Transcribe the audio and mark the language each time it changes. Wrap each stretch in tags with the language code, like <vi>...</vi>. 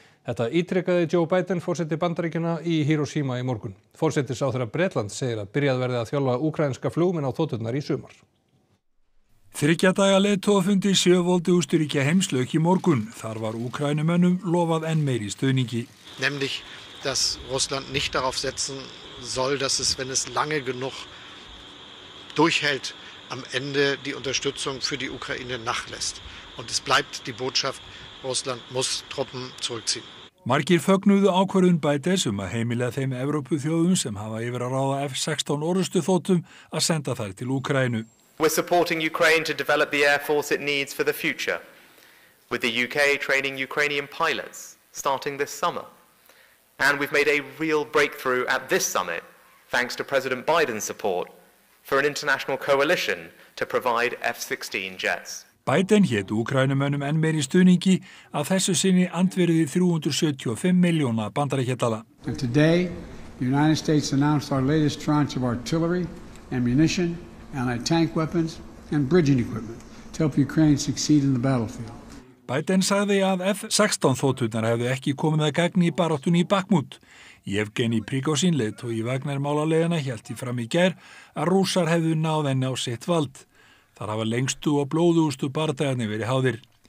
<is>Þetta ítrekaði Joe Biden forseti Bandaríkjanna í Hiroshima í morgun. Forsetisráðherra Bretlands segir að byrjað verði að þjálfa úkraínska flugmenn á þoturnar í sumar. 3 daga leiðtogafundi sjövoldi Austurríkja heimslauk í morgun. Þar var Úkraínumönnum lofað enn meiri stuðningi.</is> <de>Nemlig dass Russland nicht darauf setzen soll, dass es wenn es lange genug durchhält, am Ende die Unterstützung für die Ukraine nachlässt. Und es bleibt die Botschaft, Russland muss Truppen zurückziehen.</de> <is>Margir fögnuðu ákvörðun Bidens að heimila þeim Evrópuþjóðum sem hafa yfir að ráða F-16 orrustuþotum að senda þær til Úkraínu.</is> <en>We're supporting Ukraine to develop the air force it needs for the future, with the UK training Ukrainian pilots starting this summer. And we've made a real breakthrough at this summit, thanks to President Biden's support, for an international coalition to provide F-16 jets.</en> <is>Biden hét Úkraínumönnum enn meiri stuðningi að þessu sinni andvirði 375 milljóna bandaríkjadala.</is> <en>And today The United States announced our latest tranche of artillery, ammunition, anti-tank weapons and bridging equipment to help Ukraine succeed in the battlefield.</en> <is>Biden sagði að F-16 þóturnar hefðu ekki komið að gagni í baráttunni í Bakhmut. Yevgeni Prigozhin leiðtogi Wagner-málaliðanna hélt í fram í gær að rússar hefðu náð enn á sitt vald. Þar hafa lengstu og blóðugustu bardagarnir verið háðir.</is>